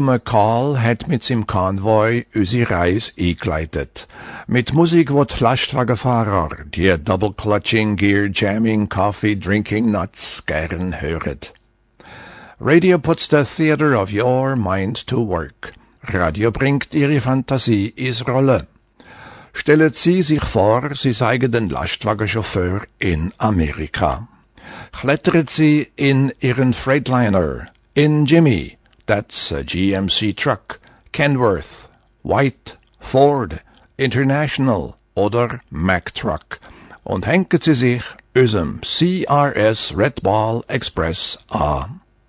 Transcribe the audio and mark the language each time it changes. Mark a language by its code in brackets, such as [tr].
[de] McCall hat mit seinem Konvoi unsere Reise eingeleitet. Mit Musik, wo die Lastwagenfahrer, die [en] Double-Clutching, Gear-Jamming, Coffee-Drinking-Nuts [de] gern hören. [en] Radio puts the theater of your mind to work. [de] Radio bringt ihre Fantasie ins Rolle. Stellen Sie sich vor, Sie seien den Lastwagenchauffeur in Amerika. Klettern Sie in Ihren Freightliner, in Jimmy. [en] That's a GMC truck, [de] Kenworth, White, Ford, International oder Mack Truck und hängen Sie sich unserem CRS Red Ball Express an.